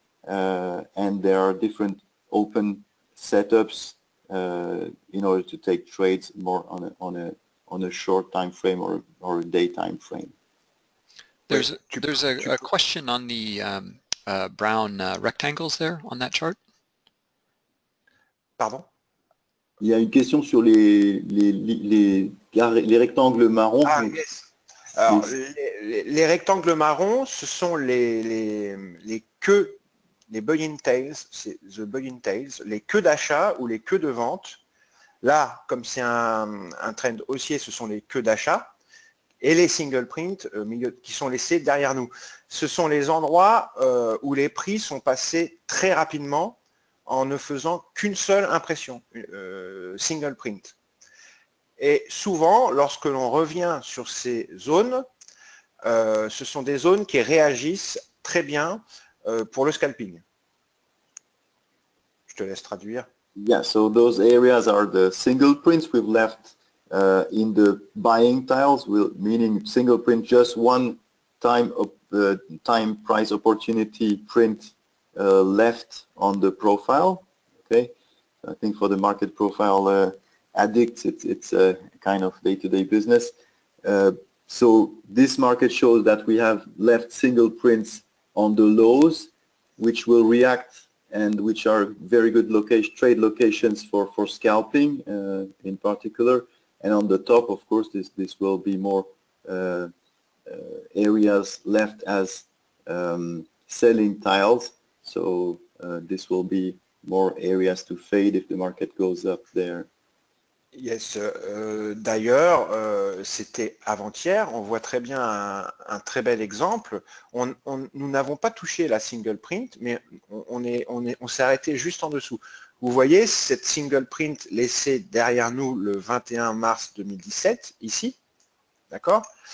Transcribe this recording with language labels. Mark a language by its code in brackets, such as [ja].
[en] And there are different open setups in order to take trades more on a short time frame or a day time frame. There's a question on the brown rectangles there on that chart. [fr] Pardon? Il y a une question sur les rectangles marrons. [en] Ah, yes. [fr] Alors, les rectangles marrons, ce sont les queues, les buy-in tails, c'est [en] the buy-in tails, [fr] les queues d'achat ou les queues de vente. Là, comme c'est un trend haussier, ce sont les queues d'achat et les single print milieu, qui sont laissés derrière nous. Ce sont les endroits où les prix sont passés très rapidement en ne faisant qu'une seule impression, single print. Et souvent, lorsque l'on revient sur ces zones, ce sont des zones qui réagissent très bien pour le scalping. Je te laisse traduire. [en] Yeah, so those areas are the single prints we've left in the buying tiles, meaning single print just one time of the time price opportunity print left on the profile. Okay, I think for the market profile addicts, it's a kind of day-to-day business. So this market shows that we have left single prints on the lows, which will react and which are very good location, trade locations for scalping in particular. And on the top, of course, this will be more areas left as selling tiles. So this will be more areas to fade if the market goes up there. [fr] Yes, d'ailleurs, c'était avant-hier, on voit très bien un très bel exemple. Nous n'avons pas touché la single print, mais on s'est arrêté juste en dessous. Vous voyez cette single print laissée derrière nous le 21 mars 2017, ici, d'accord?